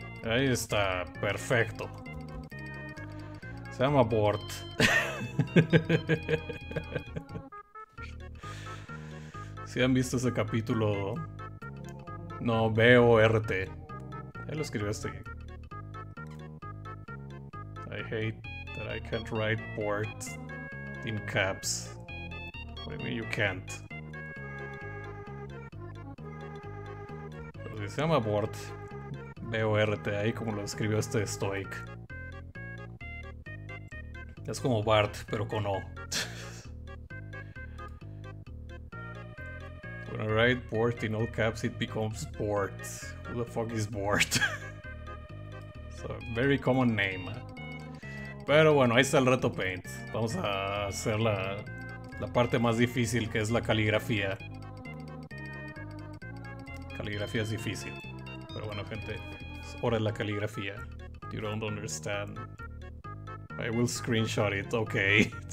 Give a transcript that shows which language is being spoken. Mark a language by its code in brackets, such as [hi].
[es] Ahí está, perfecto. Se llama Bort. Si han visto ese capítulo, no, B-O-R-T. Él lo escribió así. [en] I hate that I can't write Bort in caps. What do you mean you can't? [es] Pero si se llama Bort, B-O-R-T, ahí como lo escribió este Stoic. Es como Bart, pero con O. [en] When I write Bort in all caps, it becomes Bort. Who the fuck is Bort? It's a very common name. [es] Pero bueno, ahí está el reto Paint. Vamos a hacer la parte más difícil, que es la caligrafía. Caligrafía es difícil. Pero bueno, gente, es hora de la caligrafía. [en] You don't understand. I will screenshot it, okay.